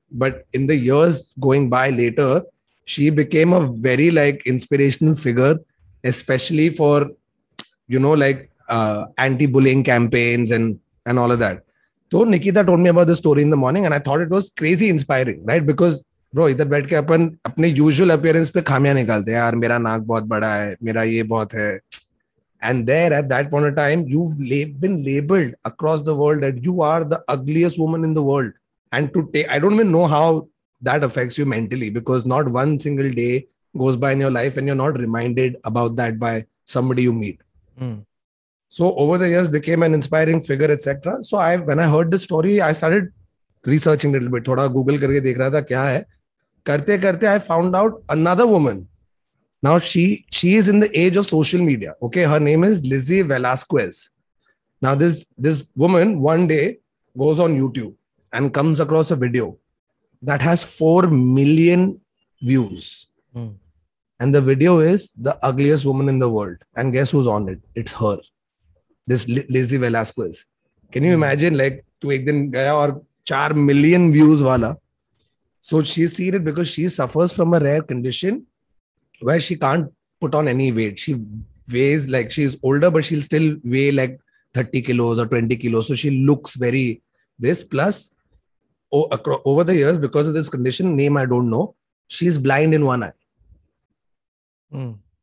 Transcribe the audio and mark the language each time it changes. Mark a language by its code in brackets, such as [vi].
[en] But in the years going by later, she became a very like inspirational figure, especially for, you know, like anti-bullying campaigns and all of that. So Nikita told me about the story in the morning and I thought it was crazy inspiring, right? Because [hi] bro इधर बैठ के अपन अपने usual appearance पे खामियां निकालते हैं यार, मेरा नाक बहुत बड़ा है, मेरा ये बहुत है. [en] And there at that point of time you have been labelled across the world that you are the ugliest woman in the world and to take, I don't even know how that affects you mentally, because not one single day goes by in your life and you are not reminded about that by somebody you meet. So over the years became an inspiring figure etcetera. So I when I heard the story I started researching little bit, [hi] थोड़ा Google करके देख रहा था क्या है. करते करते [en] I found out another woman. Now she is in the age of social media. Okay, her name is Lizzie Velasquez. Now this woman one day goes on YouTube and comes across a video that has 4 million views and the video is the ugliest woman in the world and guess who's on it, it's her, this Lizzie Velasquez. Can you imagine, like [hi] तू एक दिन गया और 4 million views वाला. [en] So she's seen it because she suffers from a rare condition where she can't put on any weight. She weighs like she's older, but she'll still weigh like 30 kilos or 20 kilos. So she looks very this. Plus, over the years, because of this condition, name I don't know, she's blind in one eye.